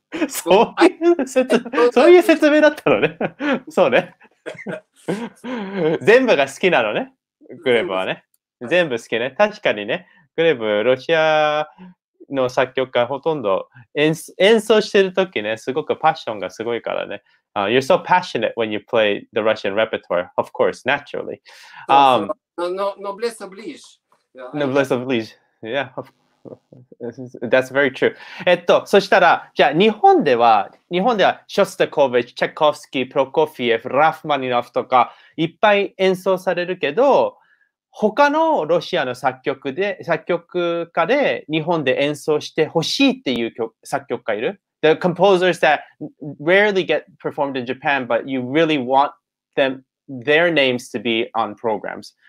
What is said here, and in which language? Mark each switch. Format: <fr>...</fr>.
<ja>そういう説、そういう説明だったのね。そうね。全部が好きなのね、グレブはね。全部好きね。確かにね、グレブ、ロシアの作曲家、ほとんど演奏してるときね、すごくパッションがすごいからね。</ja> <en>You're so passionate when you play the Russian repertoire, of course, naturally. Noblesse oblige. Noblesse oblige. Yeah, that's very true.</en> <ja>そしたら、じゃあ日本ではショスタコーヴィッチ、チェコフスキー、プロコフィエフ、ラフマニノフとかいっぱい演奏されるけど、他のロシアの作曲家で日本で演奏してほしいっていう作曲家いる？</ja> <en>The composers that rarely get performed in Japan, but you really want them, their names to be on programs.</en>